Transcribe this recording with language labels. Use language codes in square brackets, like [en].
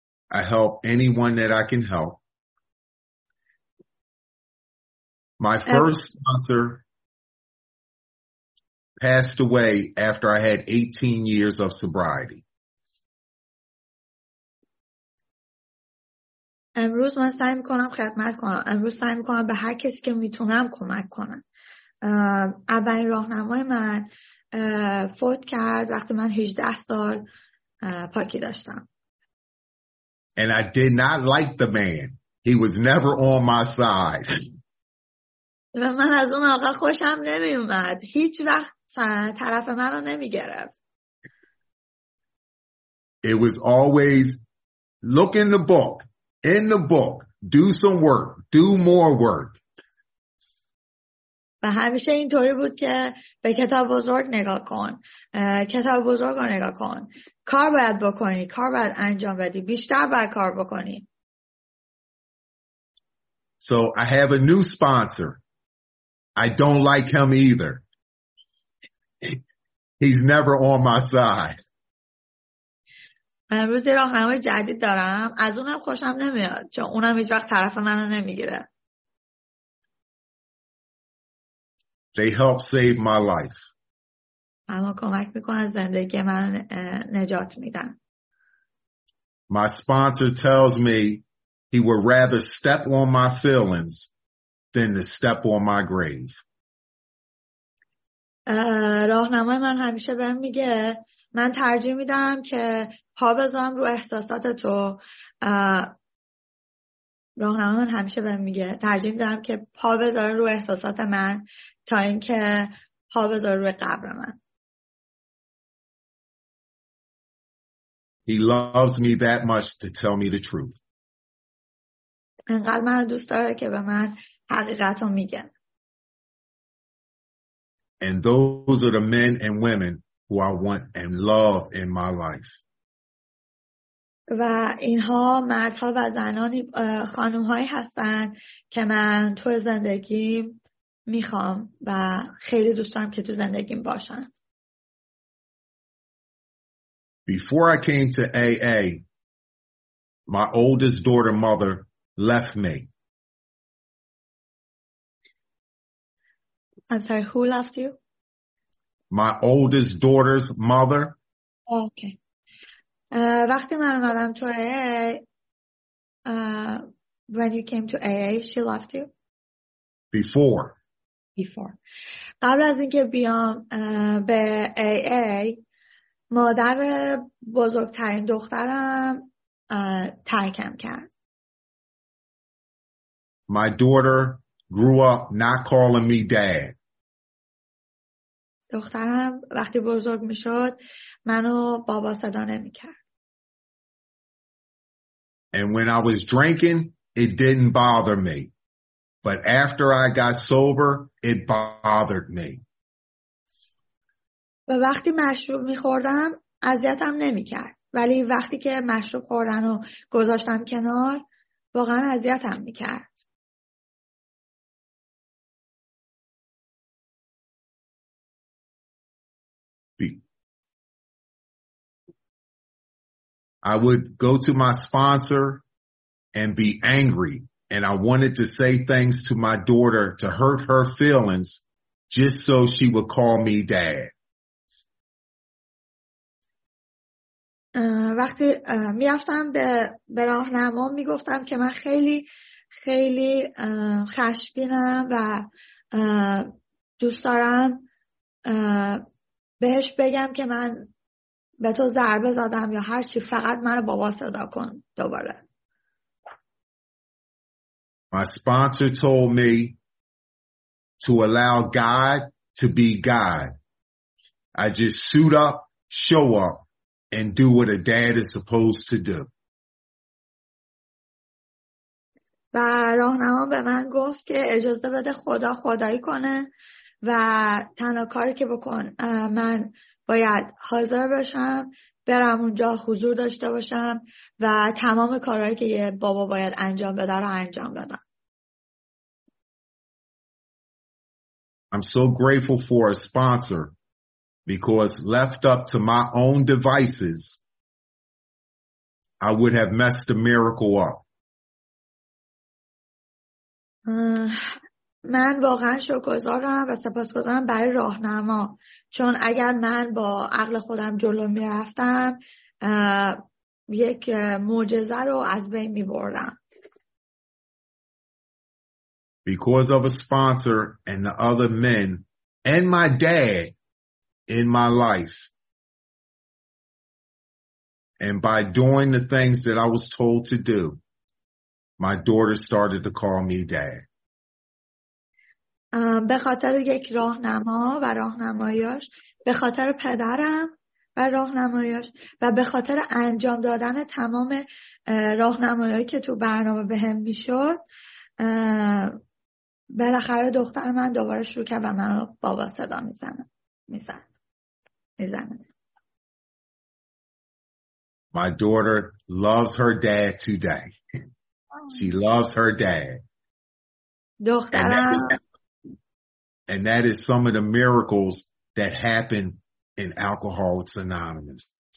[en] I help anyone that I can help. My first sponsor passed away after I had 18 years of sobriety. [fa] امروز من سعی میکنم خدمت کنم. امروز سعی میکنم به هر کسی که میتونم کمک کنم. اولین راهنمای من فوت کرد وقتی من 18 سال پاکی داشتم. [en] And I did not like the man. He was never on my side. [fa] و من از اون آقا خوشم نمیومد. هیچ وقت طرف منو نمیگرفت. [en] It was always look in the book. In the book, do some work, do more work. [fa] و همیشه اینطوری بود که به کتاب بزرگ نگاه کن. کتاب بزرگ رو نگاه کن. کار باید بکنی. کار باید انجام بدی. بیشتر باید کار بکنی. [en] So I have a new sponsor. I don't like him either. He's never on my side. [fa] امروز راهنمای جدید دارم، از اونم خوشم نمیاد چون اونم هیچ وقت طرف منو نمیگیره. [en] They help save my life. [fa] اما کمک میکنن زندگی من نجات میدن. [en] My sponsor tells me he would rather step on my feelings than to step on my grave. [fa] راهنمای من همیشه بهم میگه من ترجیح میدم که پا بذارم رو احساسات تو. راهنمای من همیشه بهم میگه ترجیح میدم که پا بذاره رو احساسات من تا اینکه پا بذاره رو قبر من. [en] He loves me that much to tell me the truth. [fa] انقدر من دوست داره که به من حقیقت رو میگه. [en] And those are the men and women who I want and love in my life. [fa] و اینها مردها و زنانی خانومهایی هستن که من تو زندگیم میخوام و خیلی دوست دارم که تو زندگیم باشن. [en] Before I came to AA, my oldest daughter mother left me. I'm sorry, who left you? My oldest daughter's mother. Okay. [fa] وقتی من اومدم تو [en] AA, when you came to AA, she left you? Before. [fa] قبل از اینکه بیام به AA, مادر بزرگترین دخترم ترکم کرد. [en] My daughter grew up not calling me dad. [fa] دخترم وقتی بزرگ می شد منو بابا صدا نمی کرد. [en] And when I was drinking, it didn't bother me. But after I got sober, it bothered me. [fa] و وقتی مشروب می خوردم اذیتم نمی کرد. ولی وقتی که مشروب خوردن و گذاشتم کنار واقعا اذیتم می کرد. [en] I would go to my sponsor and be angry, and I wanted to say things to my daughter to hurt her feelings just so she would call me dad. [fa] وقتی میافتم به راهنما میگفتم که من خیلی خیلی خشمگینم و دوست دارم بهش بگم که من به تو ضربه زدم یا هر چی، فقط منو بابا صدا کن دوباره. [en] My sponsor told me to allow God to be God. I just suit up, show up and do what a dad is supposed to do. [fa] و راهنما به من گفت که اجازه بده خدا خدایی کنه و تنها کاری که بکن من باید حاضر باشم، برم اونجا حضور داشته باشم و تمام کارهایی که یه بابا باید انجام بده رو انجام بدم. [en] I'm so grateful for a sponsor because left up to my own devices, I would have messed the miracle up. [fa] من واقعا شکرگزارم و سپاسگزارم برای راهنما، چون اگر من با عقل خودم جلو میرفتم یک معجزه رو از بین میبردم. [en] Because of a sponsor and the other men and my dad in my life, and by doing the things that I was told to do, my daughter started to call me dad. [fa] به خاطر یک راهنما و راهنماییاش، به خاطر پدرم و راهنماییاش و به خاطر انجام دادن تمام راهنمایی که تو برنامه بهم میشد، بالاخره دختر من دوباره شروع کرد و منو بابا صدا میزنه. [en] My daughter loves her dad today. She loves her dad. [fa] دخترم. [en] And that is some of the miracles that happen in Alcoholics Anonymous.